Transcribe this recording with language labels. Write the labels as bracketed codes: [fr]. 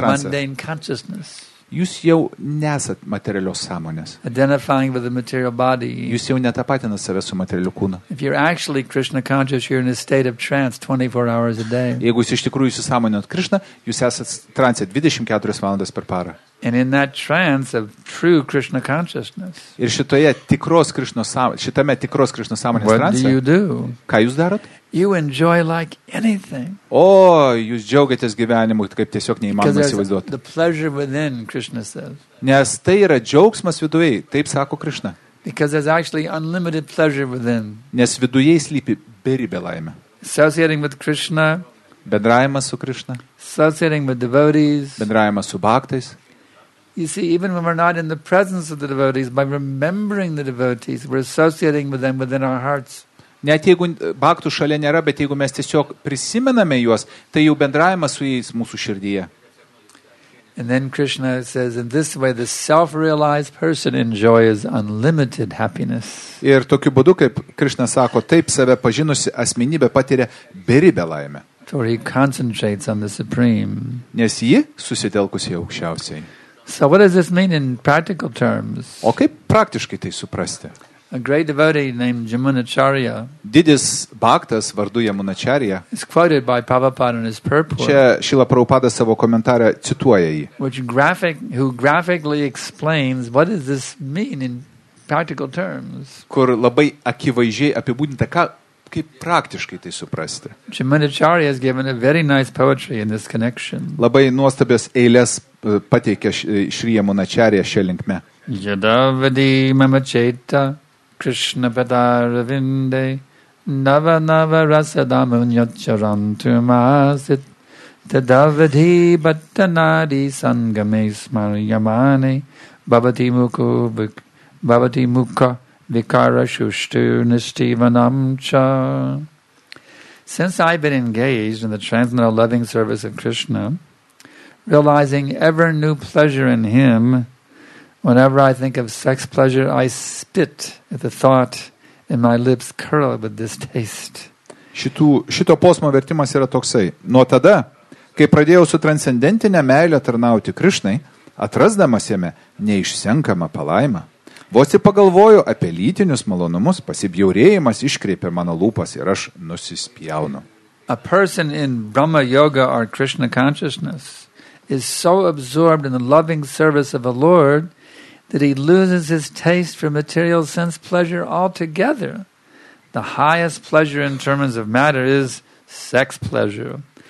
[en] mundane consciousness. [lt] Jūs jau nesat materialios sąmonės. [en] Identifying with the material body. [lt] Jūs jau netapatinat save su materialiu kūnu. [en] If you're actually Krishna conscious, you're in a state of trance 24 hours a day. [lt] Jeigu jūs iš tikrųjų įsisąmoninat Krishna, jūs esat trance 24 valandas per parą. [en] And in that trance of true Krishna consciousness. [lt] Ir šitame tikros Krishna sąmonės trance. [en] What do you do? [lt] Ką jūs darot? [en] You enjoy like anything. [lt] Jūs džiaugiatės gyvenimu, kaip tiesiog neįmanoma įsivaizduoti. [en] The pleasure within, Krishna says. [lt] Nes tai yra džiaugsmas viduje, taip sako Krishna. [en] Because there's actually unlimited pleasure within. [lt] Nes viduje slypi beribė laimė. [en] Associating with Krishna. [lt] Bendravimas su Krishna. [en] Associating with devotees. [lt] Bendravimas su bhaktais. [en] You see, even when we're not in the presence of the devotees, by remembering the devotees, we're associating with them within our hearts. [lt] Net jeigu baktų šalia nėra, bet jeigu mes tiesiog prisimename juos, tai jau bendravimas su jais mūsų širdyje. [en] And then Krishna says, in this way, the self-realized person enjoys unlimited happiness. [lt] Ir tokiu būdu, kaip Krishna sako, taip save pažinusi asmenybė patiria beribę laimę. [en] For he concentrates on the Supreme. [lt] Nes ji susitelkusi aukščiausiai. [en] So what does this mean in practical terms? [lt] O kaip praktiškai tai suprasti? [en] A great devotee named Jamunacharya. [lt] Didis baktas vardu Jamunacharya. [en] Is quoted by Prabhupada in his purport. [lt] Čia Šila Prabhupada savo komentare cituoja jį. [en] Who graphically explains what does this mean in practical terms? [lt] Kur labai akivaizdžiai apibūdinta, kaip praktiškai tai suprasti. [en] Jamunacharya has given a very nice poetry in this connection. [lt] Labai nuostabias eiles pateikė Šri Jamunacharya šia linkme. [sa] Yadavadi mamacheta. Krishna padaravinde nava nava rasadamunyacharantumasit tadavadhi battanadi sangame smaryamane bhavati mukha vikara shushtur nishtivanam cha. [en] Since I've been engaged in the transcendental loving service of Krishna, realizing ever new pleasure in him, whenever I think of sex pleasure, I spit at the thought and my lips curl with distaste. [lt] Šito posmo vertimas yra toksai. Nuo tada, kai pradėjau su transcendentinė meilė tarnauti Krishnai, atrasdamas jame neišsenkamą palaimą, vos ir pagalvoju apie lytinius malonumus, pasibjaurėjimas iškreipia mano lūpas ir aš nusispjaunu. [en] A person in Brahma yoga or Krishna consciousness is so absorbed in the loving service of the Lord that he loses his taste for material sense pleasure altogether. The highest pleasure in terms of matter is sex pleasure.